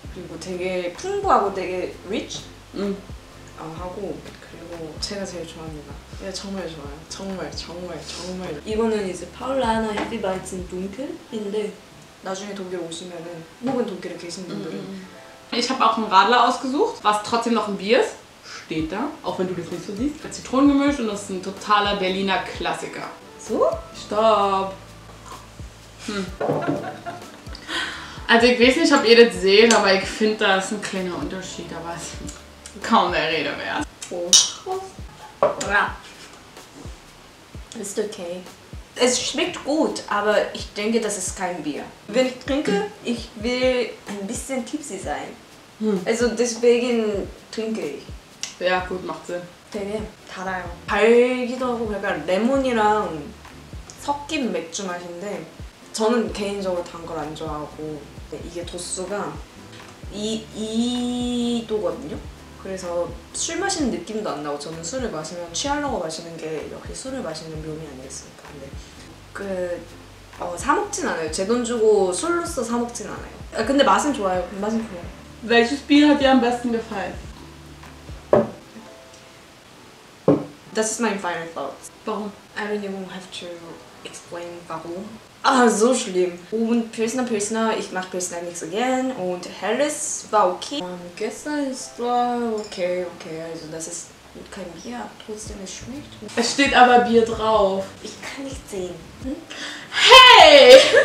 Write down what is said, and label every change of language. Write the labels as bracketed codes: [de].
[ko] 그리고 되게 풍부하고 되게 rich? 하고 그리고 제가 제일 좋아합니다. 예, 정말 좋아요. 정말 정말 정말. 이거는 이제 파울라나 헤비바이츠 둥클인데 나중에 독일 오시면은 혹은 독일에 계신 분들은 [de] Ich habe auch einen Radler ausgesucht, was trotzdem noch ein Bier ist. Steht da, auch wenn du das nicht so siehst. Hat Zitronengemisch und das ist ein totaler Berliner Klassiker. So? Stopp. Also ich weiß nicht, ob ihr das seht, aber ich finde, da ist ein kleiner Unterschied, aber es kaum der Rede wert. Oh. Ist okay. Es schmeckt gut, aber ich denke, das ist kein Bier. Wenn ich trinke, ich will ein bisschen tipsy sein. Also deswegen trinke ich. Ja, gut, macht Sinn. [ko] 되게 달아요. 달기도 하고 약간 레몬이랑 섞인 맥주 맛인데 저는 개인적으로 단 걸 안 좋아하고 이게 도수가 2도거든요? 그래서 술 마시는 느낌도 안 나고 저는 술을 마시면 취하려고 마시는 게 이렇게 술을 마시는 묘미 아니겠습니까? 근데 그 사먹진 않아요. 제 돈 주고 술로써 사먹진 않아요. 아, 근데 맛은 좋아요. 맛은 좋아요. [de] Welches Bier hat dir am besten gefallen? Das ist mein [en] final thought. [de] Warum? [en] I don't even have to explain warum. [de] Ah, so schlimm. Und Pilsner, Pilsner, ich mag Pilsner nicht so gern. Und Helles war okay. Gestern ist okay, okay. Also das ist kein Bier, trotzdem es schmeckt. Es steht aber Bier drauf. Ich kann nicht sehen. Hey!